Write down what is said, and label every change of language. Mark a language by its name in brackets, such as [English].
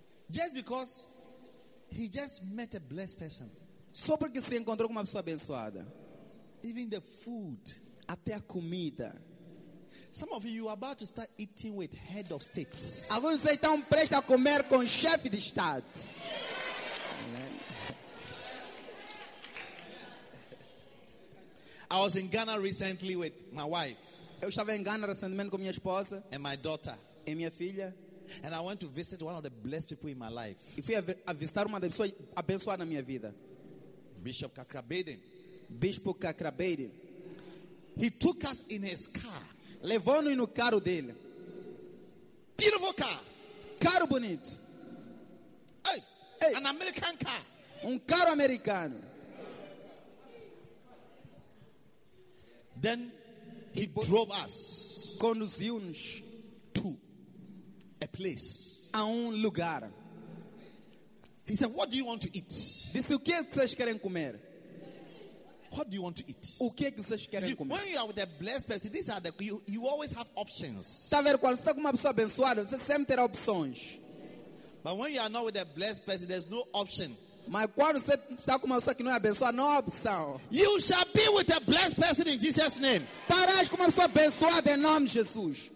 [English] Just because he just met a blessed person. [Portuguese] Só porque se encontrou com uma pessoa abençoada. [English] Even the food. [Portuguese] Até a comida. [English] Some of you are about to start eating with head of states. [Portuguese] Alguns vocês estão prestes a comer com chefe de estado. [English] I was in Ghana recently with my wife. [Portuguese] Eu estava em Ghana recentemente com minha esposa. [English] And my daughter. [Portuguese] E minha filha. [English] And I went to visit one of the blessed people in my life. [Portuguese] E fui a visitar uma das pessoas abençoadas na minha vida. [English] Bishop Kakrabeden. [Portuguese] Bispo Kakrabeden. [English] He took us in his car. [Portuguese] Levou-nos no carro dele. [English] Beautiful car. [Portuguese] Carro bonito. [English] Hey, an American car. [Portuguese] Um carro americano. [English] Then he drove us, [Portuguese] conduziu-nos [English] to a place, [Portuguese] a lugar. [English] He said, "What do you want to eat?" [Portuguese] Disse, o que vocês querem comer? [English] What do you want to eat? [Portuguese] O que vocês querem comer? [English] When you are with a blessed person, these are the you always have options. [Portuguese] Está vendo, quando você está com uma pessoa abençoada, você sempre terá opções. [English] But when you are not with a blessed person, there's no option. [Portuguese] Mas quando você está com uma pessoa que não é abençoada, não há opção. [English] You shall be with a blessed person in Jesus' name. [Portuguese] Estarás com uma pessoa abençoada em nome de Jesus.